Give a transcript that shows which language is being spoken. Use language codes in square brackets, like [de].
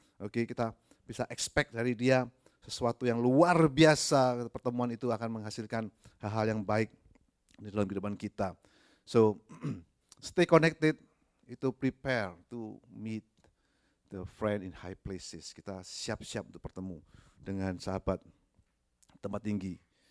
[id] Oke, kita bisa expect dari dia sesuatu yang luar biasa. Pertemuan itu akan menghasilkan hal-hal yang baik di dalam kehidupan kita. [en] So, stay connected, [id] itu [en] prepare to meet the friend in high places. [id] Kita siap-siap untuk bertemu dengan sahabat tempat tinggi.